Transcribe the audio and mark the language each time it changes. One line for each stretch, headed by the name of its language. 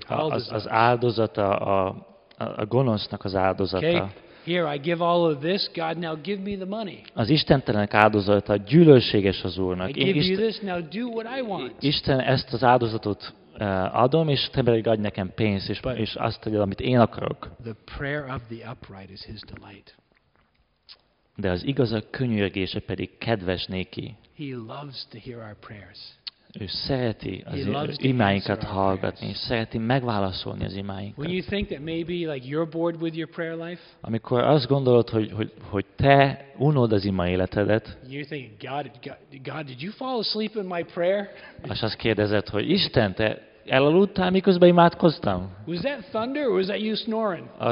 Hungarian: Az áldozata a gonosznak az áldozata.
English: Okay, here I give all of this, God, now give me the money.
Hungarian: Az istentelenek áldozata gyűlölséges az Úrnak.
English: I give you this, now do what I want.
Hungarian: Isten ezt az áldozatot adom, és te pedig adj nekem pénzt, és azt tegyed, amit én akarok.
English: The prayer of the upright is his delight.
Hungarian: De az igazak könyörgése pedig kedves néki.
English: He loves to hear our prayers.
Hungarian: Ő szereti az imáinkat hallgatni, és szereti megválaszolni az imáinkat.
English: When you think that maybe like you're bored with your prayer life?
Hungarian: Amikor azt gondolod, hogy te unod az ima életedet?
English: You think God, did you fall asleep in my prayer?
Hungarian: És azt kérdezed, hogy Isten, te elaludtál, miközben imádkoztam?
English: Was that thunder or was that you snoring?